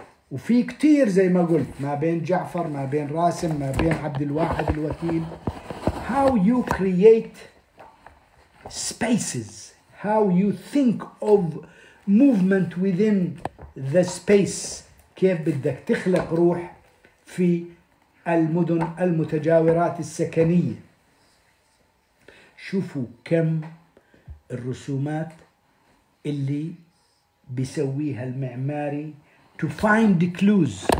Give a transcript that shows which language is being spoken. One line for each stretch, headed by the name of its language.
Arabic: وفي كتير زي ما قلت ما بين جعفر ما بين راسم ما بين عبد الواحد الوكيل.
English: How you create spaces, how you think of movement within the space.
Arabic: كيف بدك تخلق روح في المدن المتجاورات السكنية. شوفوا كم الرسومات اللي بيسويها المعماري
English: to find clues.